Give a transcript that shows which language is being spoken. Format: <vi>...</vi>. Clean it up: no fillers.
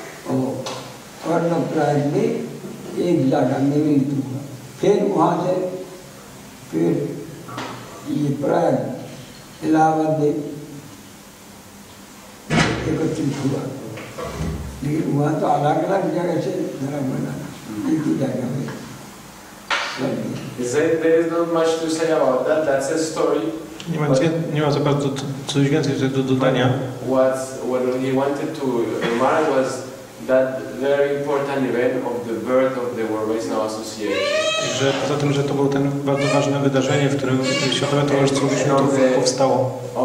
<hi>और कर्णप्रयाग में एक जगह में मिलती हुआ फिर वहाँ से फिर ये प्रयाग इलाहाबाद में एकत्रित हुआ लेकिन वहाँ तो अलग अलग जगह से धर्म बना एक ही जगह में</hi> <en>Is it, there is not much to say about that. That's a story.</en> <pl>Nie ma za bardzo coś więcej do dodania.</pl> <en>What he wanted to remark was that very important event of the birth of the World Vaishnava Association.</en> <pl>Że poza tym, że to było ten bardzo ważne wydarzenie, w którym Światowe Towarzystwo Wyświętów powstało.</pl>